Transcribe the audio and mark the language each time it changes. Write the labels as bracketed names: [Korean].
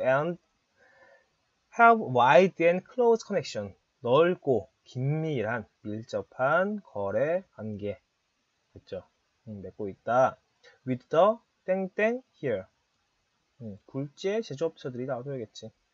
[English] And have wide and close connection. [Korean] 넓고 긴밀한 밀접한 거래 관계. 됐죠. 맺고 있다. [English] With the [Korean] 땡땡 [English] here. [Korean] 굴지의 제조업체들이 나와줘야겠지.